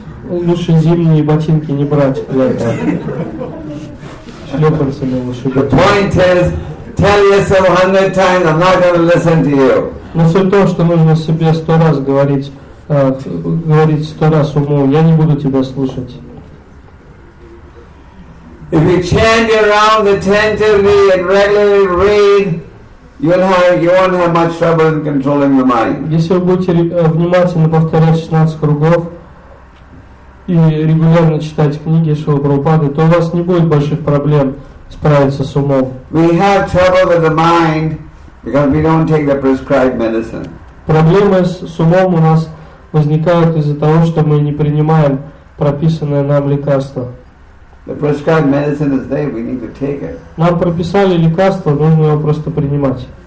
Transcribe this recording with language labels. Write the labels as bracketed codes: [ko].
[ru] Лучше зимние ботинки не брать для этого. Шлепанцами лучше. [en] The point is, tell yourself 100 times, I'm not going to listen to you. [ru] Но суть то, что нужно себе 100 раз говорить 100 раз уму, я не буду тебя слушать. [en] If you chant your rounds attentively and regularly read, you won't have much trouble in controlling your mind. [ru] Если вы будете внимательно повторять 16 кругов и регулярно читать книги Шрилы Прабхупады, то у вас не будет больших проблем справиться с умом. [en] We have trouble with the mind because we don't take the prescribed medicine. [ru] Проблемы с умом у нас возникают из-за того, что мы не принимаем прописанное нам лекарство. [en] The prescribed medicine is there, we need to take it. [ru] Нам прописали лекарство, нужно его просто принимать.